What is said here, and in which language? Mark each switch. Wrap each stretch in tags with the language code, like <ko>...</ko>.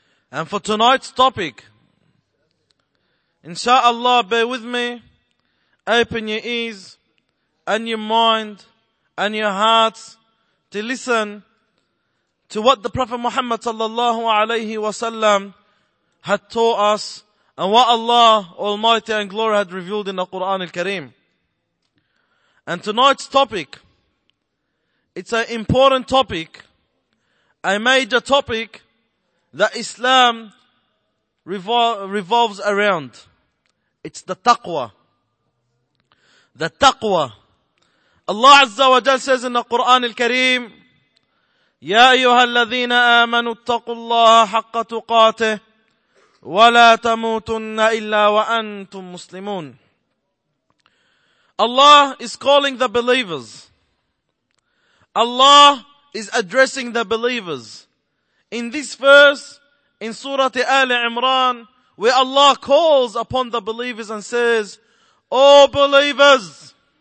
<en>And for tonight's topic, inshallah, bear with me, open your ears and your mind and your hearts to listen to what the Prophet Muhammad sallallahu alayhi wa sallam had taught us, and what Allah Almighty and Glory had revealed in the Quran al-Kareem. And tonight's topic, it's an important topic, a major topic that Islam revolves around. It's the taqwa. The taqwa. Allah Azza wa Jal says in the Quran al-Kareem,</en> <ar>يَا أَيُّهَا الَّذِينَ آمَنُوا اتَّقُوا اللَّهَ حَقَّ تُقَاتِهِ وَلَا تَمُوتُنَّ إِلَّا وَأَنْتُمْ مُسْلِمُونَ.</ar> <en>Allah is calling the believers. Allah is addressing the believers. In this verse, in Surah Ali Imran, where Allah calls upon the believers and says, O believers!</en>